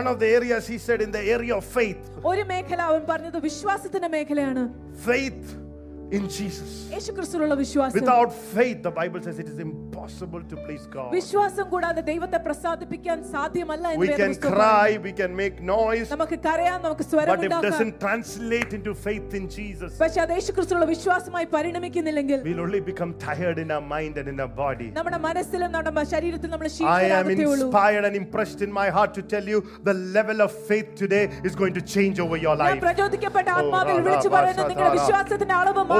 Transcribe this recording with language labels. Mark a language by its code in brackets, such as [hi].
[en] One of the areas he said in the area of faith. [ml] ഒരു മേഖല അവൻ പറഞ്ഞു വിശ്വാസത്തിന്റെ മേഖലയാണ്. [en] Faith in Jesus. [ml] യേശു ക്രിസ്തുവിലുള്ള വിശ്വാസം. [en] Without faith the Bible says it is impossible to please God. [ml] വിശ്വാസം കൂടാതെ ദൈവത്തെ പ്രസാദിപ്പിക്കാൻ സാധ്യമല്ല എന്ന് [en] വേദപുസ്തകം. We can cry, we can make noise. [ml] നമുക്ക് കരയാം, നമുക്ക് സ്വരം ഉണ്ടാക്കാം. [en] But it doesn't translate into faith in Jesus. [ml] പക്ഷേ അത് യേശു ക്രിസ്തുവിലുള്ള വിശ്വാസമായി പരിണമിക്കുന്നില്ലെങ്കിൽ [en] we will only become tired in our mind and in our body. [ml] നമ്മുടെ മനസ്സിലും നമ്മുടെ ശരീരത്തിലും നമ്മൾ ക്ഷീണിതരാകുകയേ ഉള്ളൂ. [en] I am inspired and impressed in my heart to tell you the level of faith today is going to change over your life. [ml] ഞാൻ പ്രചോദിക്കപ്പെട്ട ആത്മാവിൽ വിളിച്ചു പറയുന്നു നിങ്ങളുടെ വിശ്വാസത്തിന്റെ അളവ്